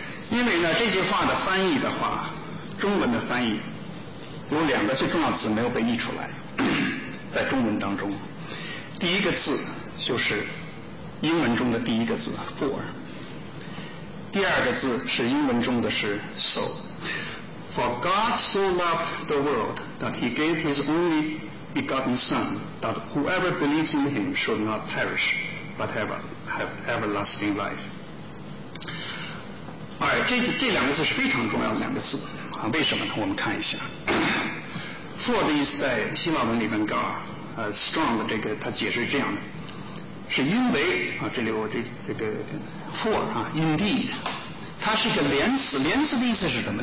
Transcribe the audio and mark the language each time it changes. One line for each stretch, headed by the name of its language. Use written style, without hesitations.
Chinese: 因为呢这句话的翻译的话，中文的翻译有两个最重要的字没有被译出来，在中文当中第一个字就是英文中的第一个字 for， 第二个字是英文中的是 so。
English: For God so loved the world that he gave his only begotten son that whoever believes in him should not perish but have everlasting life。 All right，
Chinese: 这两个字是非常重要的两个字，为什么呢？我们看一下。 For 的意思在希腊文里面 God strong 的这个它解释这样的，是因为啊，这里我这个 for 啊 indeed， 它是一个连词，连词的意思是什么？